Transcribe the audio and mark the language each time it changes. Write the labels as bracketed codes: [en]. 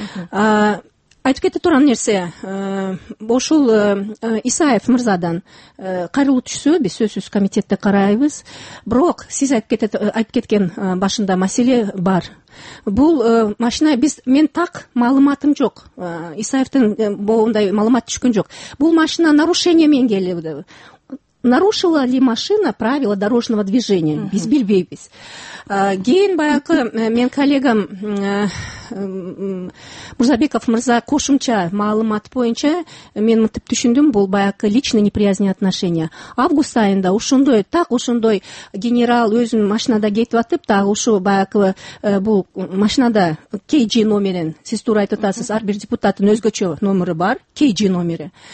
[ky] Айтып кете турган нерсе, ошол Исаев мырзадан кайрылуу түшсө биз сөзсүз комитетте карайбыз. Бирок сиз айтып кеткен башында маселе бар. Бул машина биз, мен так маалыматым жок, Исаевдин моундай маалымат түшкөн жок. Бул машина нарушение менен келди. [ru] Нарушила ли машина правила дорожного движения? [ky] Биз билбейбиз. Кийин баягы мен коллегам Мурзабеков мырза кошумча маалымат боюнча мен мынтип түшүндүм, бул баягы [ru] личные неприязни отношения. [ky] Август айында ошондой, так ошондой генерал өзүнүн машинада кетип атып, так ушу баягы бул машинада KG номерин, сиз туура айтып атасыз, ар бир депутаттын өзгөчө номери бар, KG номери.